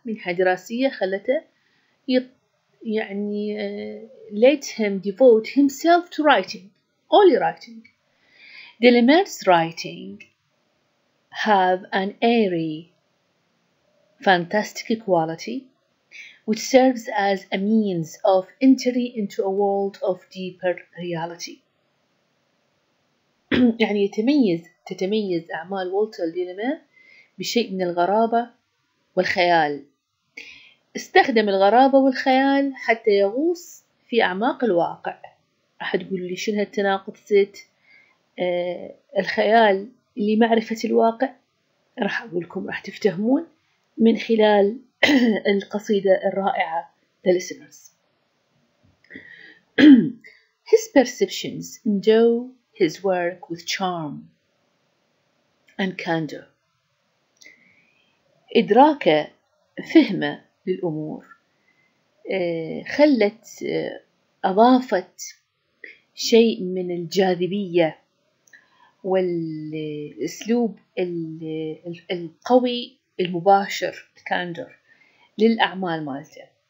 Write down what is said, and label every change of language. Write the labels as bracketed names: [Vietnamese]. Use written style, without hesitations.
[Arabic] منحة دراسية خلته يعني [English] let him devote himself to writing. Only writing. De la Mare's writing have an airy, fantastic quality, which serves as a means of entry into a world of deeper reality. [Arabic] يعني تتميز أعمال والتر دي لا مير بشيء من الغرابة والخيال. استخدم الغرابة والخيال حتى يغوص في أعماق الواقع. أحد يقول لي شنو هالتناقض ست الخيال لمعرفة الواقع؟ راح أقول لكم راح تفتهمون من خلال القصيدة الرائعة The Listeners. [English] His perceptions endow his work with charm and candor. [Arabic] إدراكه فهمه للأمور خلت أضافت شيء من الجاذبية والأسلوب القوي المباشر candor للأعمال مالته.